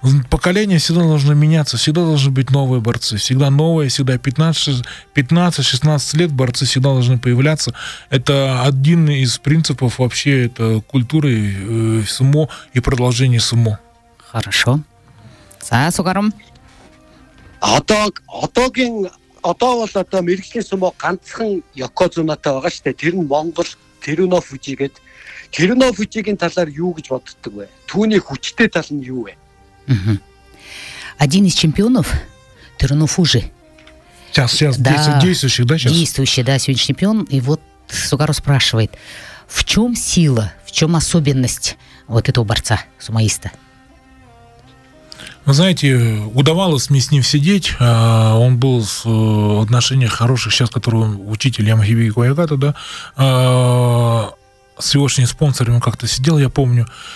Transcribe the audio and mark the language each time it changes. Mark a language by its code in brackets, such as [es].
[ru] Поколение всегда должно меняться, всегда должны быть новые борцы. Всегда новые, всегда 15-16 лет борцы всегда должны появляться. Это один из принципов вообще это культуры сумо и продолжение сумо. Хорошо. За сугаром. [mn] Одоогийн одоо бол одоо мэрэгчлийн сумо ганцхан Йокозунатай байгаа шүү дээ. Тэр нь Монгол Тэруно Фужи гэд. Тэруно Фужигийн талаар юу гэж боддог вэ? Түүний хүчтэй тал нь юу вэ? [ru] Один из чемпионов Тэруно Фужи. Сейчас да, действующий, да, сейчас? Действующий, да, сегодня чемпион. И вот Сугару спрашивает, в чем сила, в чем особенность вот этого борца, сумоиста? Вы знаете, удавалось мне с ним сидеть. Он был в отношениях хороших, сейчас которого учитель Ямахиби Куягата, да, с его спонсорами как-то сидел, я помню.